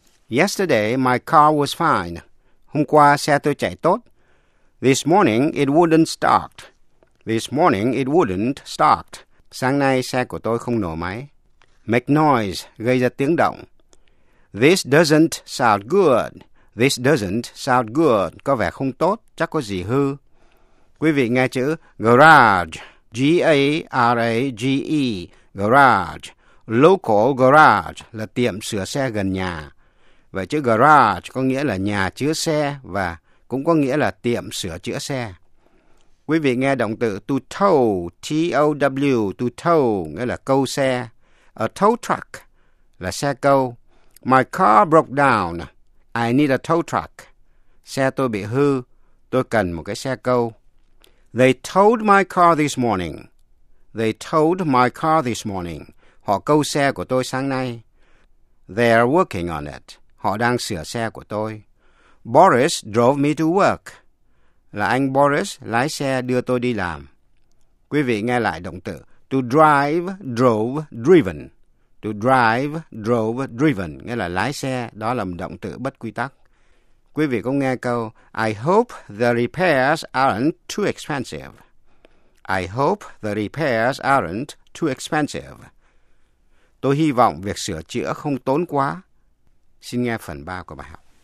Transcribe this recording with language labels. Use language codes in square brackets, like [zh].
[en] Yesterday, my car was fine. [vi] Hôm qua, xe tôi chạy tốt. [en] This morning, it wouldn't start. This morning, it wouldn't start. [vi] Sáng nay, xe của tôi không nổ máy. [en] Make noise. [vi] Gây ra tiếng động. [en] This doesn't sound good. This doesn't sound good. [vi] Có vẻ không tốt. Chắc có gì hư. Quý vị nghe chữ garage, G-A-R-A-G-E, garage, local garage là tiệm sửa xe gần nhà. Vậy chữ garage có nghĩa là nhà chứa xe và cũng có nghĩa là tiệm sửa chữa xe. Quý vị nghe động từ to tow, T-O-W, to tow nghĩa là câu xe. A tow truck là xe câu. [en] My car broke down, I need a tow truck. [vi] Xe tôi bị hư, tôi cần một cái xe câu. [en] They towed my car this morning. They towed my car this morning. [vi] Họ câu xe của tôi sáng nay. [en] They are working on it. [vi] Họ đang sửa xe của tôi. [en] Boris drove me to work. [vi] Là anh Boris lái xe đưa tôi đi làm. Quý vị nghe lại động từ to drive, drove, driven. To drive, drove, driven nghĩa là lái xe, đó là một động từ bất quy tắc. Quý vị có nghe câu [en] I hope the repairs aren't too expensive. I hope the repairs aren't too expensive. [vi] Tôi hy vọng việc sửa chữa không tốn quá. Xin nghe phần 3 của bài học.